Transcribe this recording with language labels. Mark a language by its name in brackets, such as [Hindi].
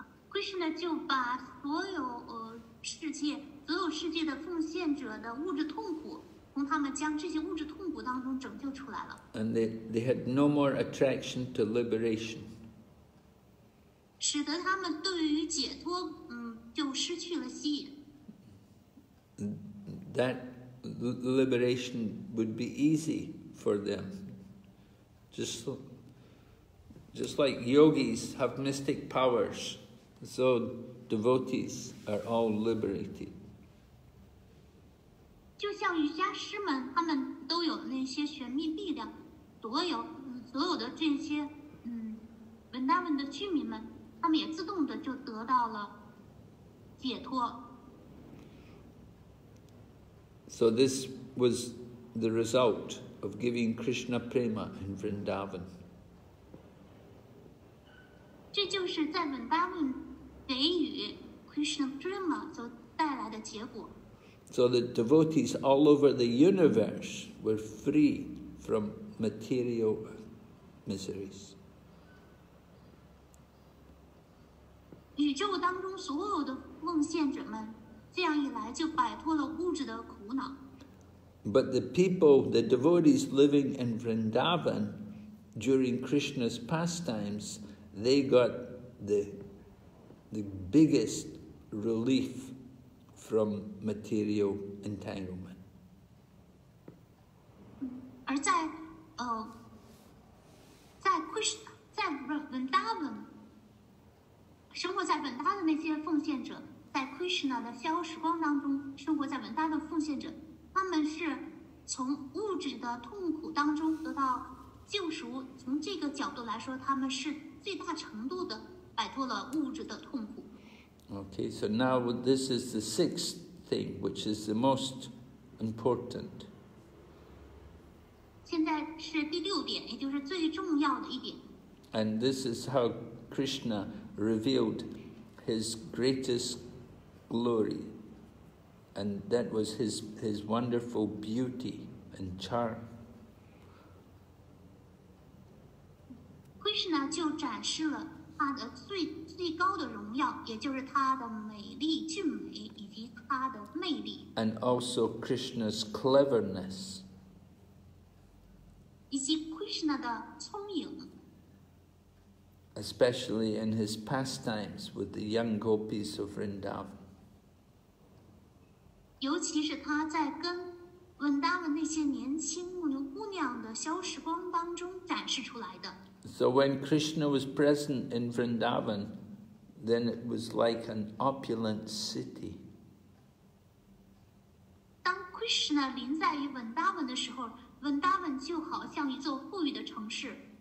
[Chinese] Krishna 就把所有世界所有世界的奉献者的物质痛苦，从他们将这些物质痛苦当中拯救出来了。 [English] And they had no more attraction to liberation. [Chinese] 使得他们对于解脱，就失去了吸引。 [English] That liberation would be easy for them. Just like yogis have mystic powers, so devotees are all liberated. [Chinese] 就像瑜伽师们，他们都有那些玄秘力量，所有的这些，文达文的居民们，他们也自动的就得到了解脱。 [English] So this was the result of giving Krishna prema in Vrindavan. [Chinese] 这就是在文达文给予 Krishna prema 所带来的结果。 [English] So the devotees all over the universe were free from material miseries. [Chinese] 宇宙当中所有的奉献者们，这样一来就摆脱了物质的苦恼。 [English] But the people, the devotees living in Vrindavan, during Krishna's pastimes, they got the biggest relief. From material entanglement. [Chinese] 而在 Krishna 在 Vrindavan 生活在文达的那些奉献者，在 Krishna 的消失光当中生活在文达的奉献者，他们是从物质的痛苦当中得到救赎，从这个角度来说，他们是最大程度的摆脱了物质的痛苦。 [English] Okay, so now this is the sixth thing which is the most important. [Chinese] 现在是第六点，也就是最重要的一点。 [English] And this is how Krishna revealed his greatest glory, and that was his wonderful beauty and charm. [Chinese] Krishna 就展示了他的最高的荣耀，也就是他的美丽、俊美以及他的魅力。 [English] And also Krishna's cleverness. [Chinese] 以及 Krishna 的聪颖。 [English] Especially in his pastimes with the young gopis of Vrindavan. [Chinese] 尤其是他在跟文达的那些年轻姑娘的消时光当中展示出来的。 [English] So when Krishna was present in Vrindavan, then it was like an opulent city. [Chinese] 当 Krishna 临在于文达文的时候，文达文就好像一座富裕的城市。